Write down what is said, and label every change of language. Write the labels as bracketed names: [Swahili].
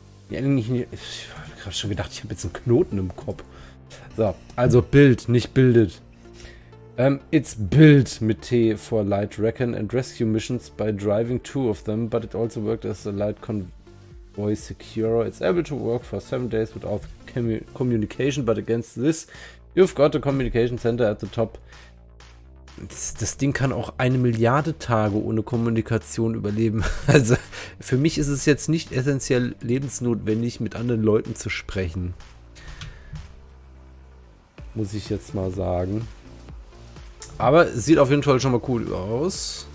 [German] Ich habe gerade schon gedacht, ich habe jetzt einen Knoten im Kopf. So, also Bild, nicht bildet. [English] It's built [German] mit T [English] for light recon and rescue missions by driving two of them, but it also worked as a light convoy secure. It's able to work for 7 days without communication, but against this, you've got a communication center at the top. [German] Das Ding kann auch 1 Milliarde Tage ohne Kommunikation überleben. Also für mich ist es jetzt nicht essentiell lebensnotwendig, mit anderen Leuten zu sprechen. Muss ich jetzt mal sagen. Aber sieht auf jeden Fall schon mal cool aus.